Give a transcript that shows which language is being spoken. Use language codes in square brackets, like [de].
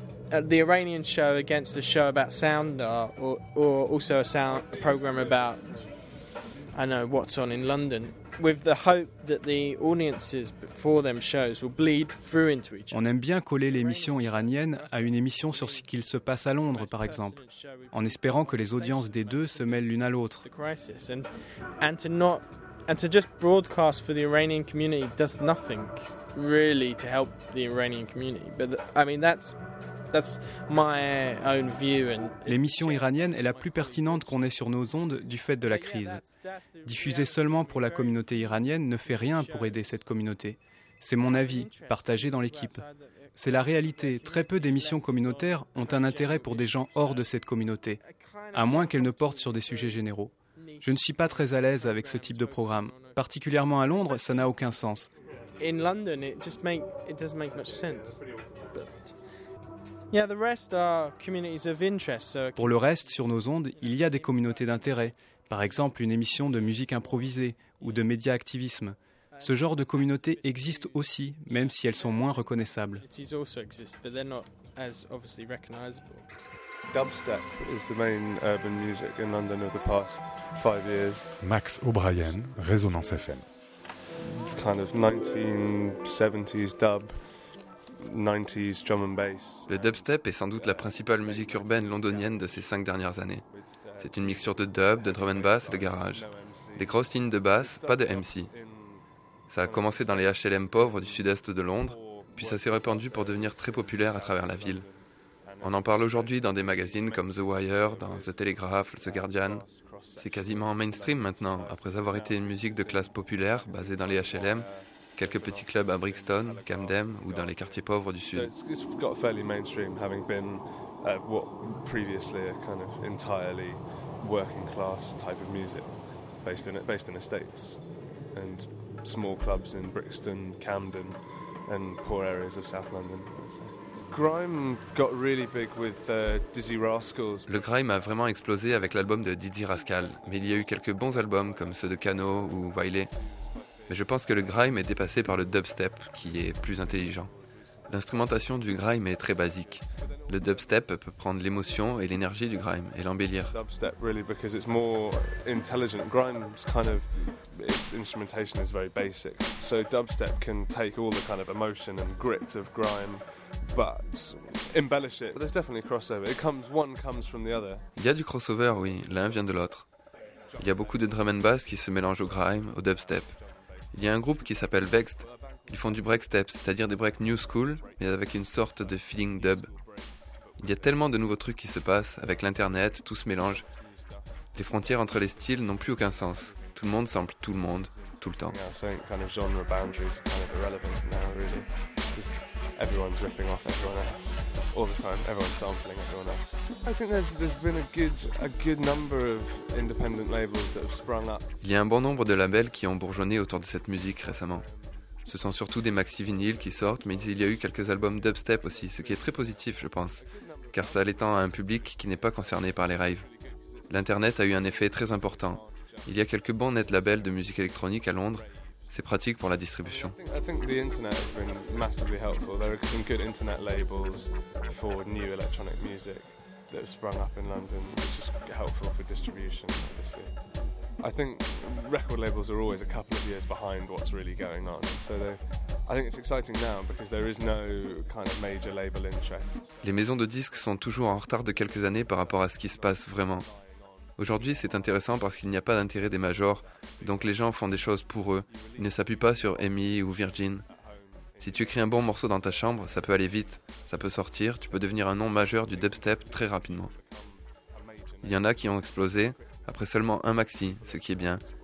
[en] The Iranian show against a show about sound or also a sound a program about I know what's on in London with the hope that the audiences before them shows will bleed through into each other. [fr] On aime bien coller l'émission iranienne à une émission sur ce qu'il se passe à Londres par exemple en espérant que les audiences des deux se mêlent l'une à l'autre. [en] And to just broadcast for the Iranian community does nothing really to help the Iranian community, but I mean that's my own view. And [fr] l'émission iranienne est la plus pertinente qu'on ait sur nos ondes du fait de la crise. Diffuser seulement pour la communauté iranienne ne fait rien pour aider cette communauté. C'est mon avis, partagé dans l'équipe. C'est la réalité. Très peu d'émissions communautaires ont un intérêt pour des gens hors de cette communauté, à moins qu'elles ne portent sur des sujets généraux. Je ne suis pas très à l'aise avec ce type de programme. Particulièrement à Londres, ça n'a aucun sens. [en] In London, it doesn't make much sense. Yeah, the rest are communities of interest. So [fr] pour le reste, sur nos ondes, il y a des communautés d'intérêt. Par exemple, une émission de musique improvisée ou de média activisme. Ce genre de communautés existe aussi, même si elles sont moins reconnaissables. [en] It also exists, but they're not as obviously recognizable. Dubstep is the main urban music in London of the past 5 years. Max O'Brien, Résonance FM. Kind of 1970s dub. 90s drum and bass. [fr] Le dubstep est sans doute la principale musique urbaine londonienne de ces 5 dernières années. C'est une mixture de dub, de drum and bass et de garage. Des grosses lignes de basse, pas de MC. Ça a commencé dans les HLM pauvres du sud-est de Londres, puis ça s'est répandu pour devenir très populaire à travers la ville. On en parle aujourd'hui dans des magazines comme The Wire, dans The Telegraph, The Guardian. C'est quasiment mainstream maintenant, après avoir été une musique de classe populaire basée dans les HLM, quelques petits clubs à Brixton, Camden ou dans les quartiers pauvres du sud. [en] It's got fairly mainstream, having been what previously a kind of entirely working class type of music, based in estates and small clubs in Brixton, Camden, and poor areas of South London. Grime got really big with Dizzy Rascals. [fr] Le grime a vraiment explosé avec l'album de Dizzy Rascal, mais il y a eu quelques bons albums comme ceux de Kano ou Wiley. Mais je pense que le grime est dépassé par le dubstep, qui est plus intelligent. L'instrumentation du grime est très basique. Le dubstep peut prendre l'émotion et l'énergie du grime et l'embellir. [en] Dubstep, really, because it's more intelligent. Grime's kind of its instrumentation is very basic. So dubstep can take all the kind of emotion and grit of grime, but embellish it. But there's definitely crossover. One comes from the other. [fr] Il y a du crossover, oui. L'un vient de l'autre. Il y a beaucoup de drum and bass qui se mélangent au grime, au dubstep. Il y a un groupe qui s'appelle Vexed. Ils font du break step, c'est-à-dire des breaks new school, mais avec une sorte de feeling dub. Il y a tellement de nouveaux trucs qui se passent, avec l'internet, tout se mélange. Les frontières entre les styles n'ont plus aucun sens. Tout le monde semble tout le monde, tout le temps. [en] Everyone's ripping off everyone else all the time. Everyone's sampling everyone else. I think there's been a good number of independent labels that have sprung up. [fr] Il y a un bon nombre de labels qui ont bourgeonné autour de cette musique récemment. Ce sont surtout des maxi vinyles qui sortent, mais il y a eu quelques albums dubstep aussi, ce qui est très positif, je pense, car ça l'étend à un public qui n'est pas concerné par les raves. L'internet a eu un effet très important. Il y a quelques bons net labels de musique électronique à Londres. C'est pratique pour la distribution. [en] I think the internet has been massively helpful. There are some good internet labels for new electronic music that have sprung up in London, which is helpful for distribution, obviously. I think record labels are always a couple of years behind what's really going on. So I think it's exciting now because there is no kind of major label interest. [fr] Les maisons de disques sont toujours en retard de quelques années par rapport à ce qui se passe vraiment. Aujourd'hui, c'est intéressant parce qu'il n'y a pas d'intérêt des majors, donc les gens font des choses pour eux. Ils ne s'appuient pas sur EMI ou Virgin. Si tu écris un bon morceau dans ta chambre, ça peut aller vite, ça peut sortir, tu peux devenir un nom majeur du dubstep très rapidement. Il y en a qui ont explosé après seulement un maxi, ce qui est bien.